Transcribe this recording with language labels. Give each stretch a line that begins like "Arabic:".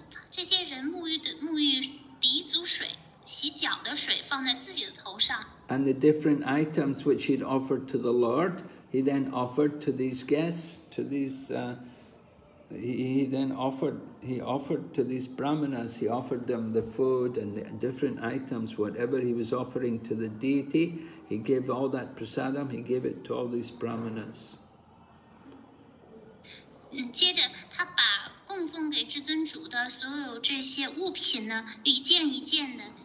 Chinese: 这些人沐浴鼻祖水、洗脚的水放在自己的头上。
English: And the different items which he'd offered to the Lord, he then offered to these guests, he offered to these brahmanas, he offered them the food and the different items, whatever he was offering to the deity, he gave all that prasadam, he gave it to all these brahmanas.
Chinese: 接着他把供奉给至尊主的所有这些物品呢，一件一件的。